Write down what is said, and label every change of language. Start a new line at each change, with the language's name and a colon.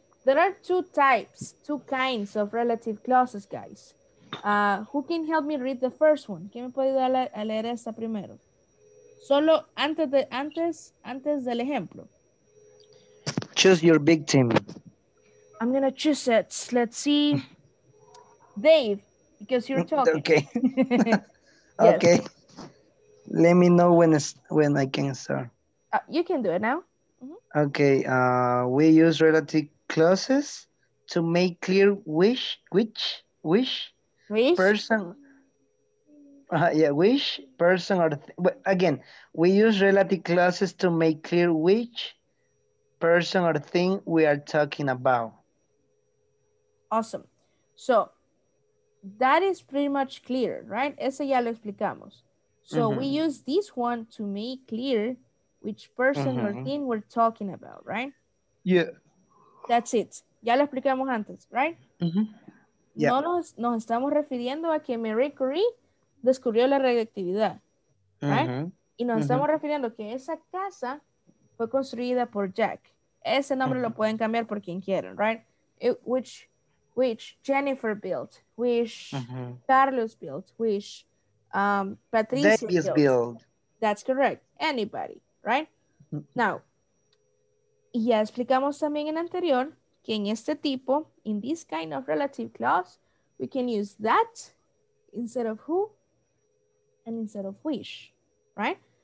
English: There are two types, two kinds of relative clauses, guys. Who can help me read the first one?
Spanish: ¿Quién me puede dar a leer esta primero? Solo antes, de, antes del ejemplo.
English: Choose your victim. I'm going to choose it. Let's see. Dave, because you're talking. Okay. Yes. Okay. Let me know when I can start. You can do it now. Mm-hmm. Okay. We use relative clauses to make clear which person we use relative clauses to make clear which person or thing we are talking about. Awesome. So that is pretty much clear, right?
Spanish: Ese ya lo explicamos.
English: So we use this one to make clear which person or thing we're talking about, right? Yeah. That's it.
Spanish: Ya lo explicamos antes, right? Mm-hmm. Yeah. No nos estamos refiriendo a que Marie Curie descubrió la radioactividad, right? Mm-hmm. Y nos estamos refiriendo que esa casa fue construida por Jack. Ese nombre lo pueden cambiar por quien quieran, right?
English: Which Jennifer built, which Carlos built, which Patricia built. That's correct. Anybody, right? Now,
Spanish: y ya explicamos también en anterior que en este tipo,
English: in this kind of relative clause, we can use that instead of who and instead of which, right?